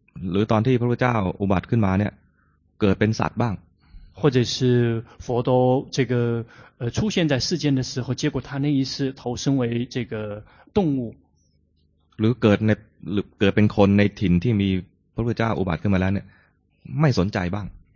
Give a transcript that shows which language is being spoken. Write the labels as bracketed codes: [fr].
[th] หรือตอนที่พระพุทธเจ้าอุบัติขึ้นมาเนี่ยเกิดเป็นสัตว์บ้าง [zh] 或者是佛陀这个出现在世间的时候结果他那一世投身为这个动物 [th] หรือเกิดเป็นคนในถิ่นที่มีพระพุทธเจ้าอุบัติขึ้นมาแล้วเนี่ยไม่สนใจบ้าง